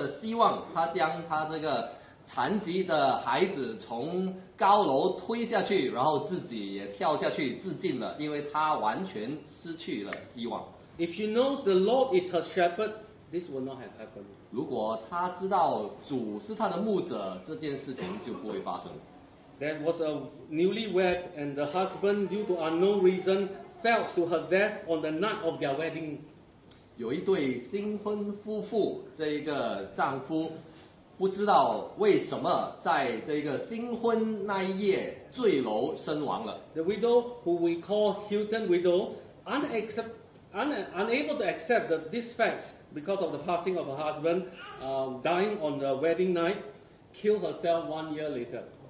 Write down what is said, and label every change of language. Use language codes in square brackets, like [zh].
[zh] 我读过一篇报章，报道这个母亲失去了希望，她将她这个 残疾的孩子从高楼推下去，然后自己也跳下去自尽了，因为他完全失去了希望。 [en] If she knows the Lord is her shepherd, this will not have happened. [zh] 如果他知道主是他的牧者，这件事情就不会发生。 [en] There was a newlywed, and the husband, due to unknown reason, fell to her death on the night of their wedding. [zh] 有一对新婚夫妇，这一个丈夫 不知道为什么在这个新婚那一夜坠楼身亡了。 [en] The widow who we call Hilton widow, unable to accept this fact because of the passing of her husband, dying on the wedding night, killed herself 1 year later.